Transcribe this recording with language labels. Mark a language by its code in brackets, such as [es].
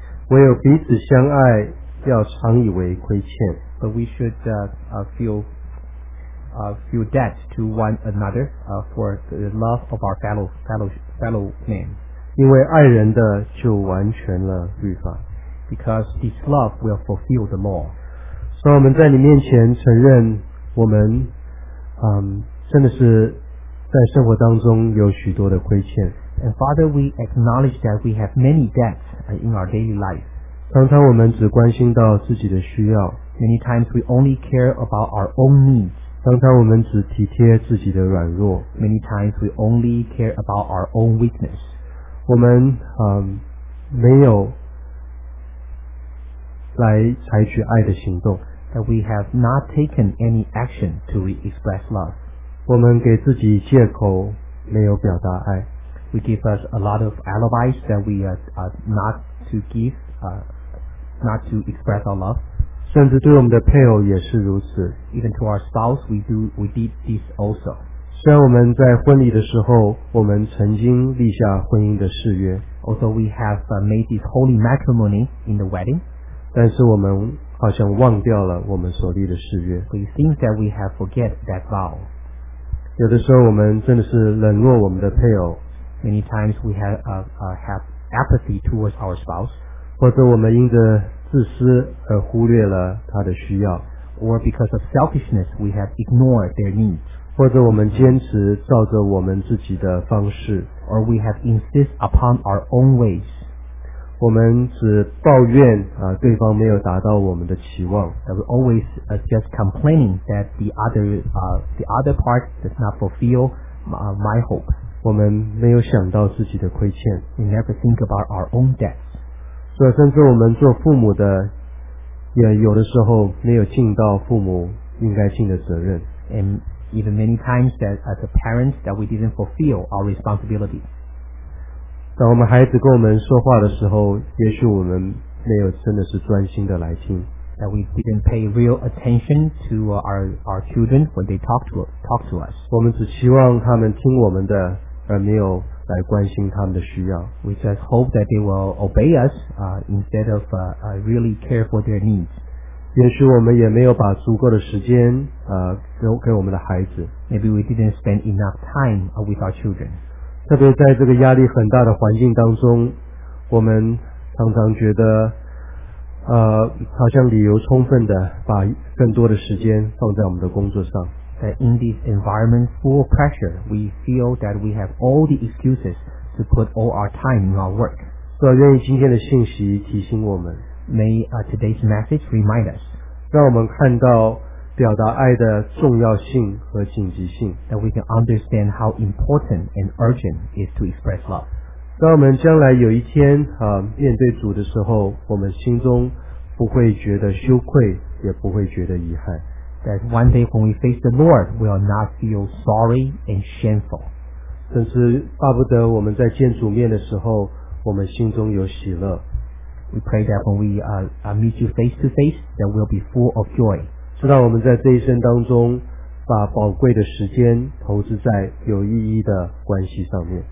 [zh] 唯有彼此相爱，要常以为亏欠。 [en] But we should feel debt to one another for the love of our fellow man. [zh] 因为爱人的就完全了律法。 [en] Because his love will fulfill the law. So we in [zh] 你面前承认我们，真的是在生活当中有许多的亏欠。 [en] And Father, we acknowledge that we have many debts in our daily life. [zh] 常常我们只关心到自己的需要。 [en] Many times we only care about our own needs. [zh] 常常我们只体贴自己的软弱。 [en] Many times we only care about our own weakness. [zh] 我们没有。来采取爱的行动 [en] that we have not taken any action to express love. [zh] 我们给自己借口没有表达爱 [en] we give us a lot of alibis that we are not to give, not to express our love. [zh] 甚至对我们的配偶也是如此 [en] even to our spouse, we did this also. [zh] 虽然我们在婚礼的时候我们曾经立下婚姻的誓约 [en] although we have made this holy matrimony in the wedding, [zh] 但是我们好像忘掉了我们所立的誓约。 [en] We think that we have forget that vow. [zh] 有的时候我们真的是冷落我们的配偶。 [en] Many times we have apathy towards our spouse. [zh] 或者我们因着自私而忽略了他的需要。 [en] Or because of selfishness, we have ignored their needs. [zh] 或者我们坚持照着我们自己的方式。 [en] Or we have insist upon our own ways. [zh] 我们只抱怨对方没有达到我们的期望。 [en] We're always just complaining that the other part does not fulfill my hope. [zh] 我们没有想到自己的亏欠。 [en] We never think about our own debts. [zh] 所以甚至我们做父母的也有的时候没有尽到父母应该尽的责任。 [en] And even many times that as a parent that we didn't fulfill our responsibilities. [zh] 当我们孩子跟我们说话的时候，也许我们没有真的是专心的来听。 [en] That we didn't pay real attention to our children when they talk to us. [zh] 我们只希望他们听我们的，而没有来关心他们的需要。 [en] We just hope that they will obey us, instead of really care for their needs. [zh] 也许我们也没有把足够的时间给我们的孩子。 [en] Maybe we didn't spend enough time with our children. [zh] 特别在这个压力很大的环境当中，我们常常觉得，好像理由充分的把更多的时间放在我们的工作上。 [en] That in this environment full of pressure, we feel that we have all the excuses to put all our time in our work. [zh] 所以愿意今天的信息提醒我们。 [en] May today's message remind us. [zh] 让我们看到表达爱的重要性和紧急性 [en] that we can understand how important and urgent is to express love [zh] 当我们将来有一天面对主的时候我们心中不会觉得羞愧也不会觉得遗憾 [en] that one day when we face the Lord, we will not feel sorry and shameful. [zh] 甚至巴不得我们在见主面的时候，我们心中有喜乐。 [en] We pray that when we meet you face to face, that we'll be full of joy. [zh] 知道我们在这一生当中，把宝贵的时间投资在有意义的关系上面。